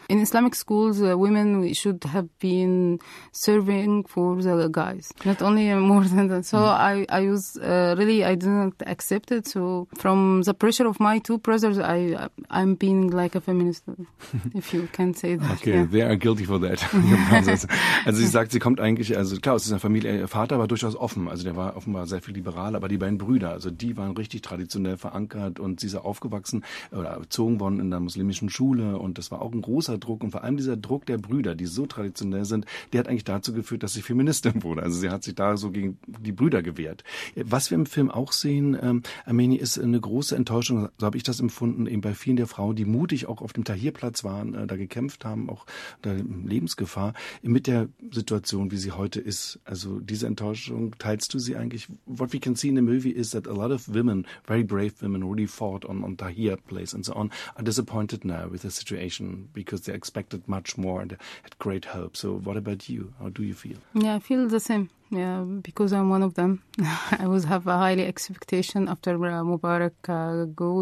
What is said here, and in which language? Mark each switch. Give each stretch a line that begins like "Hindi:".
English: In Islamic schools, women should have been serving for the guys, not only more than that. So I was really I didn't accept it. So from the pressure of my two brothers, I'm being like a feminist, if you can say that. Okay, yeah. They are guilty for that.
German: Also sie sagt, sie kommt eigentlich, also klar, aus einer Familie, ihr Vater war durchaus offen. Also der war offenbar sehr viel liberal. Aber die beiden Brüder, also die waren richtig traditionell verankert und sie sind aufgewachsen oder erzogen worden in der muslimischen Schule und das war auch ein großer Druck und vor allem dieser Druck der Brüder, die so traditionell sind, der hat eigentlich dazu geführt, dass sie Feministin wurde. Also sie hat sich da so gegen die Brüder gewehrt. Was wir im Film auch sehen, Armeni, ist eine große Enttäuschung, so habe ich das empfunden, eben bei vielen der Frauen, die mutig auch auf dem Tahrirplatz waren, da gekämpft haben, auch unter Lebensgefahr, mit der Situation, wie sie heute ist. Also diese Enttäuschung, teilst du sie eigentlich?
English: What we can see in the movie is that a lot of women, very brave women, really fought on Tahrir place and so on, are disappointed now with the situation because they expected much more and had great hope. So what about you? How do you feel? Yeah, I feel the same. Yeah, because I'm one of them. I was have a highly expectation after Mubarak go.